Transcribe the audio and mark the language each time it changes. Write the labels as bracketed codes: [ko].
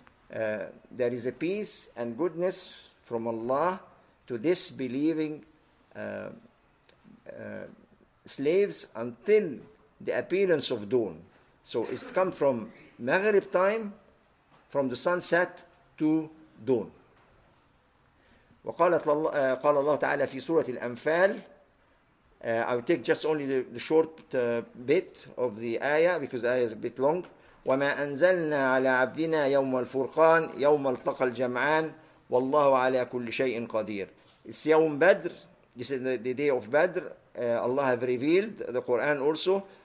[en] There is a peace and goodness from Allah to disbelieving slaves until the appearance of dawn. So it's come from Maghrib time, from the sunset to dawn. [ar] وقالت الله قال الله تعالى في سورة الأنفال. [en] I will take just only the short bit of the ayah because the ayah is a bit long. [ar] وَمَا أَنْزَلْنَا عَلَىٰ عَبْدِنَا يَوْمَ الْفُرْقَانِ يَوْمَ الْتَقَى الْجَمْعَانِ وَاللَّهُ عَلَىٰ كُلِّ شَيْءٍ قَدِيرٌ. It's يوم بدر. [en] This is the day of بدر. Allah have revealed the Quran also.